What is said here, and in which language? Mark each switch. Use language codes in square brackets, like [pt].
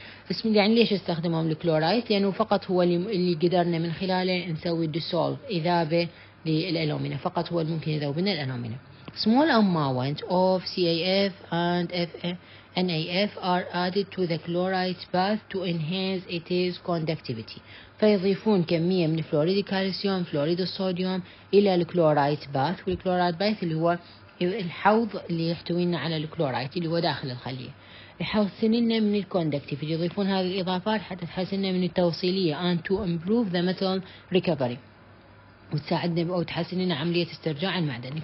[ar] بسم الله يعني ليش استخدمهم الكلورايد؟ لأنه فقط هو اللي قدرنا من خلاله نسوي ديسولف إذابة للألومينا. فقط هو الممكن يذوب لنا الألومينا. [en] Small amount of CaF and NaF are added to the chloride bath to enhance its conductivity. [ar] فيضيفون كمية من فلوريد الكالسيوم فلوريد الصوديوم إلى الكلورايد باث والكلورايد باث اللي هو الحوض اللي يحتوينا على الكلورايد اللي هو داخل الخلية يحسننا من الكوندكتيفيتي يضيفون هذه الإضافات حتى تحسننا من التوصيلية [en] and to improve the metal recovery [ar] وتساعدنا أو تحسن لنا عملية استرجاع المعدن.